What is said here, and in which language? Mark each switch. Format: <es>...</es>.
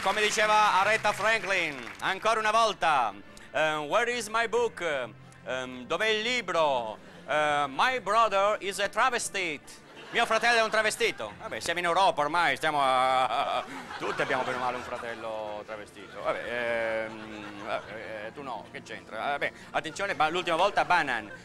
<it>Come diceva Aretha Franklin, ancora una volta!</it> <en>Where is my book?</en> <it>Dov'è il libro?</it> <en>My brother is a travestite.</en> <it>Mio fratello è un travestito. Vabbè, siamo in Europa ormai, stiamo a... Tutti abbiamo bene o male un fratello travestito. Vabbè, tu no, che c'entra? Vabbè, attenzione, l'ultima volta, banan.</it>